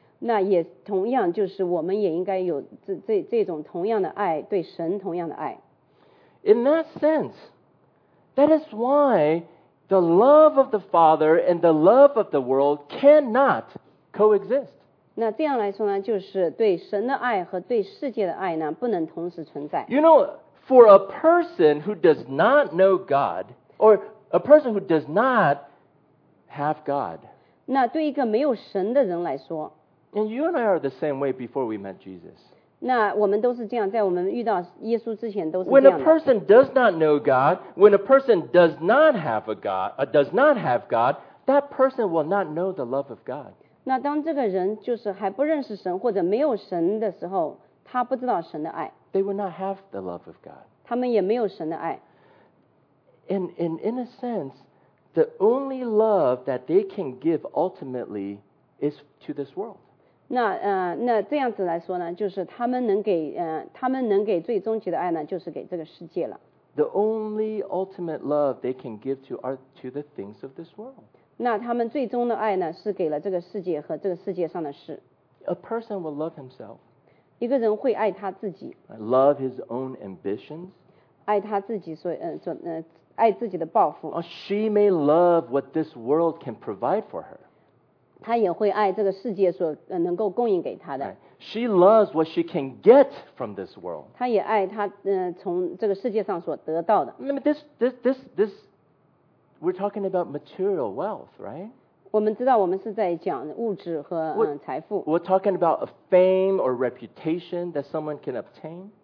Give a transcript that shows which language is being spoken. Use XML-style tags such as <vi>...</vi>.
<zh>那也同样就是我们也应该有 这种同样的爱对神同样的爱</zh> <en>In that sense that is why the love of the Father and the love of the world cannot coexist</en> <zh>那这样来说呢就是对神的爱和对世界的爱呢不能同时存在</zh> <en>You know for a person who does not know God or a person who does not have God</en> <zh>那对一个没有神的人来说</zh> <en>And you and I are the same way before we met Jesus.</en> <zh>那我们都是这样，在我们遇到耶稣之前都是这样。</zh> <en>When a person does not know God, when a person does not have a God, does not have God, that person will not know the love of God.</en> <zh>那当这个人就是还不认识神或者没有神的时候，他不知道神的爱。</zh> <en>They will not have the love of God.</en> <zh>他们也没有神的爱。</zh> <en>In a sense, the only love that they can give ultimately is to this world.</en> <zh>那这样子来说呢，就是他们能给最终极的爱呢，就是给这个世界了。</zh> <en>The only ultimate love they can give to are to the things of this world.</en> <zh>那他们最终的爱呢，是给了这个世界和这个世界上的事。</zh> <en>A person will love himself.</en> <zh>一个人会爱他自己。</zh> <en>Love his own ambitions.</en> <zh>爱他自己所爱自己的抱负。</zh> <en>She may love what this world can provide for her.</en> <zh>她也会爱这个世界所能够供应给她的。</zh> <en>She loves what she can get from this world.</en> <zh>她也爱她从这个世界上所得到的。</zh> <en>This, we're talking about material wealth, right?</en> <zh>我们知道我们是在讲物质和财富。</zh> <en>We're talking about a fame or reputation that someone can obtain.</en>